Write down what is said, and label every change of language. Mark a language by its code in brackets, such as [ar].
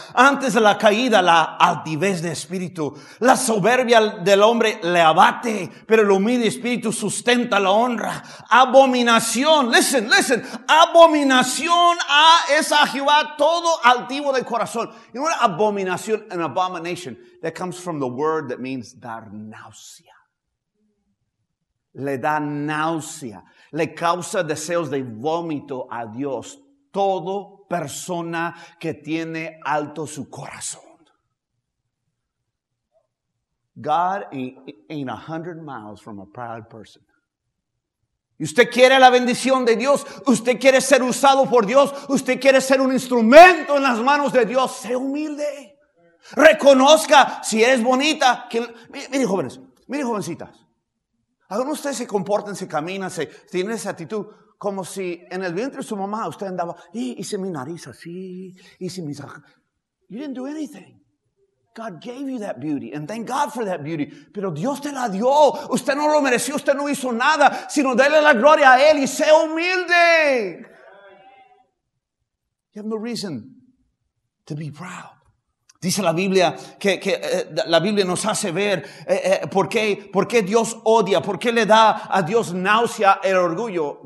[es] Antes de la caída, la altivez de espíritu. La soberbia del hombre le abate, pero el humilde espíritu sustenta la honra. Abominación, [en] listen, listen. [es] Abominación es a Jehová todo altivo de corazón. [en] You know what abominación, an abomination, that comes from the word that means [es] dar náusea. Le da náusea. Le causa deseos de vómito a Dios. Todo persona que tiene alto su corazón. [en] God ain't 100 miles from a proud person. [es] Y usted quiere la bendición de Dios. Usted quiere ser usado por Dios. Usted quiere ser un instrumento en las manos de Dios. Sé humilde. Reconozca si eres bonita. Mire, jóvenes. Mire, jovencitas. Algunos de ustedes se comportan, se caminan, se tienen esa actitud como si en el vientre de su mamá usted andaba, y hice mi nariz así, hice mis... [en] You didn't do anything. God gave you that beauty, and thank God for that beauty. [es] Pero Dios te la dio. Usted no lo mereció, usted no hizo nada, sino dele la gloria a Él y sea humilde. [en] You have no reason to be proud. [es] Dice la Biblia que la Biblia nos hace ver por qué Dios odia, por qué le da a Dios náusea el orgullo.